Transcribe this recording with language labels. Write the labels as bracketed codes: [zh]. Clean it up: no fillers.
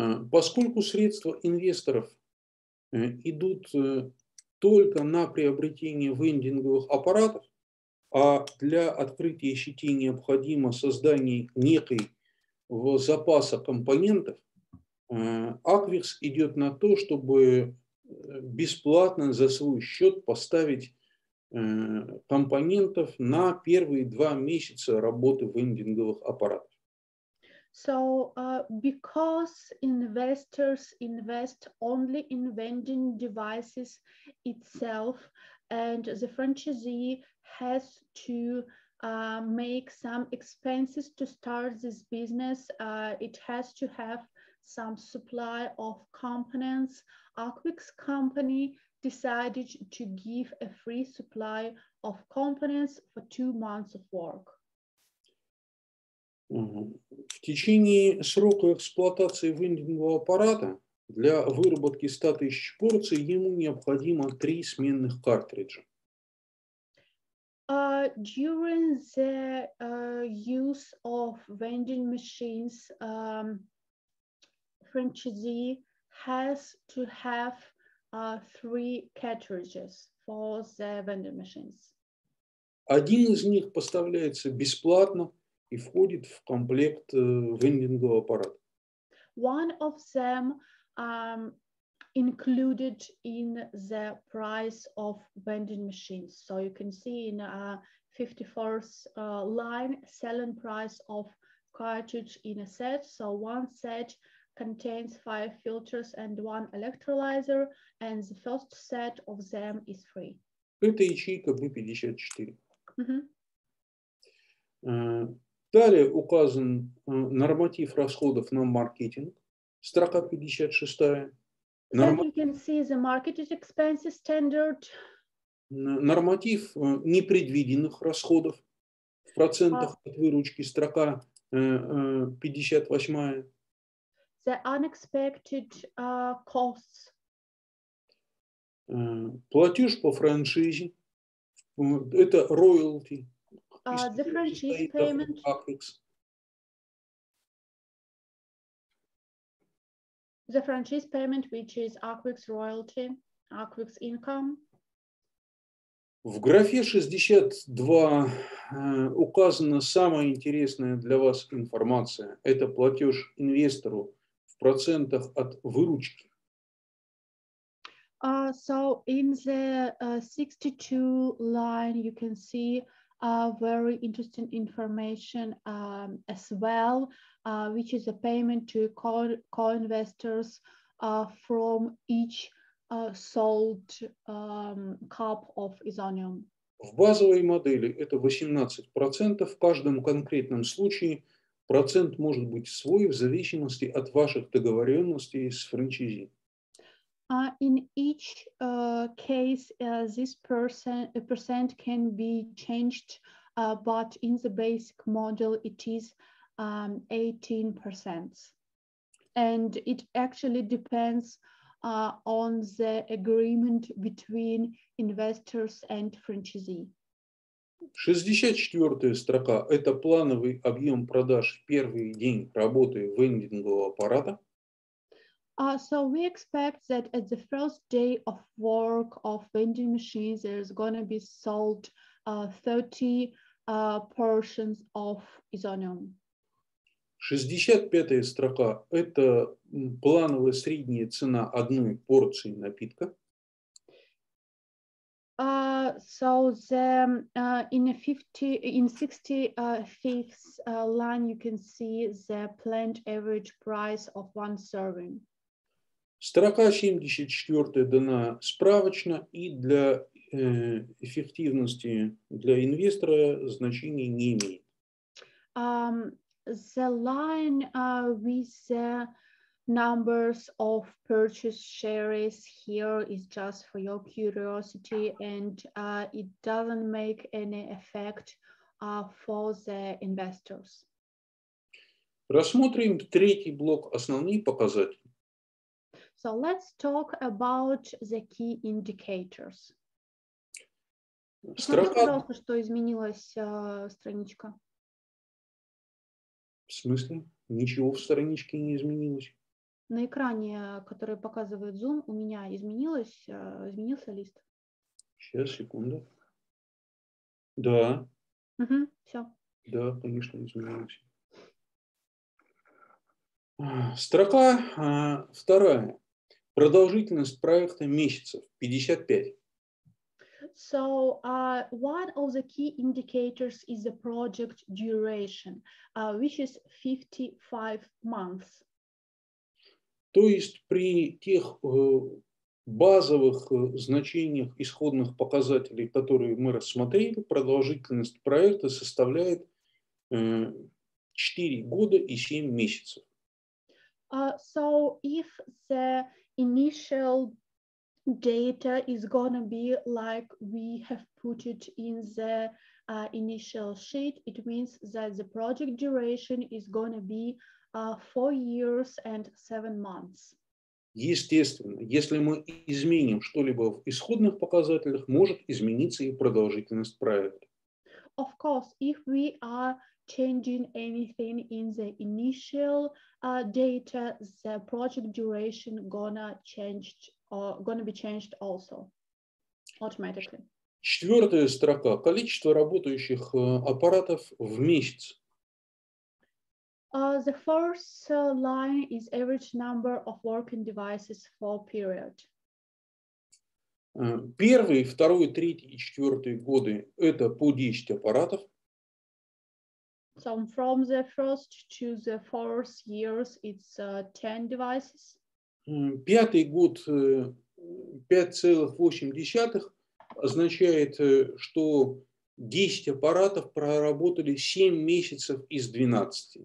[ru] Поскольку средства инвесторов идут только на приобретение вендинговых аппаратов, а для открытия сети необходимо создание некой запаса компонентов, Аквикс идет на то, чтобы бесплатно за свой счет поставить компонентов на первые 2 месяца работы вендинговых аппаратов. [en] So, because investors invest only in vending devices itself, and the franchisee has to make some expenses to start this business, it has to have some supply of components. Aquics company decided to give a free supply of components for 2 months of work. [ru] В течение срока эксплуатации вендингового аппарата для выработки 100 тысяч порций ему необходимо 3 сменных картриджа. [en] During the use of vending machines, franchisee has to have 3 cartridges for the vending machines. [ru] Один из них поставляется бесплатно и входит в комплект вендингового аппарата. [en] One of them included in the price of vending machines. So you can see in 54th line, selling price of cartridge in a set. So one set contains 5 filters and 1 electrolyzer, and the first set of them is free. [ru] Это ячейка B54. Mm-hmm. Далее указан норматив расходов на маркетинг, строка 56. [en] You can see the marketing expenses standard. [ru] Норматив непредвиденных расходов в процентах от выручки, строка 58. [en] The unexpected costs. [ru] Платеж по франшизе, это роялти. [en] The franchise payment. The franchise payment, which is Aquics royalty, Aquics income. [ru] В графе 62 указана самая интересная для вас информация. Это платеж инвестору в процентах от выручки. [en] So in the 62 line, you can see very interesting information as well, which is a payment to co-investors from each sold cup of Isonium. [ru] В базовой модели это 18%. В каждом конкретном случае процент может быть свой в зависимости от ваших договоренностей с франчайзи. [en] In each case, this percent can be changed, but in the basic model, it is 18%. And it actually depends on the agreement between investors and franchisee. [ru] 64-я строка – это плановый объем продаж в первый день работы вендингового аппарата. [en] So we expect that at the first day of work of vending machines, there's going to be sold 30 portions of Isonium. [ru] 65-я строка – это плановая средняя цена одной порции напитка. [en] So the in 65th line, you can see the planned average price of one serving. [ru] Строка 74 дана справочно и для эффективности для инвестора значения не имеет. [en] The line with the numbers of purchase shares here is just for your curiosity, and it doesn't make any effect for the investors. [ru] Рассмотрим третий блок основные показатели. [en] So let's talk about the key indicators. [ru] Строка... Смотри, пожалуйста, что изменилась страничка. В смысле? Ничего в страничке не изменилось. На экране, который показывает Zoom, у меня изменился лист. Сейчас, секунду. Да. Угу, все. Да, конечно, изменилось. Строка вторая. Продолжительность проекта месяцев 55. [en] So, one of the key indicators is the project duration, which is 55 months. [ru] То есть при тех базовых значениях исходных показателей, которые мы рассмотрели, продолжительность проекта составляет 4 года и 7 месяцев. [en] So if the initial data is gonna be like we have put it in the initial sheet, it means that the project duration is gonna be 4 years and 7 months. [ru] Естественно, если мы изменим что-либо в исходных показателях, может измениться и продолжительность проекта. [en] Of course, if we are changing anything in the initial data, the project duration gonna be changed also automatically. [ru] Четвертая строка. Количество работающих аппаратов в месяц. [en] The first line is average number of working devices for period. [ru] Первый, второй, третий и четвертый годы – это по 10 аппаратов. [en] So from the first to the fourth years, it's 10 devices. [ru] Пятый год 5,8 означает, что 10 аппаратов проработали 7 месяцев из 12.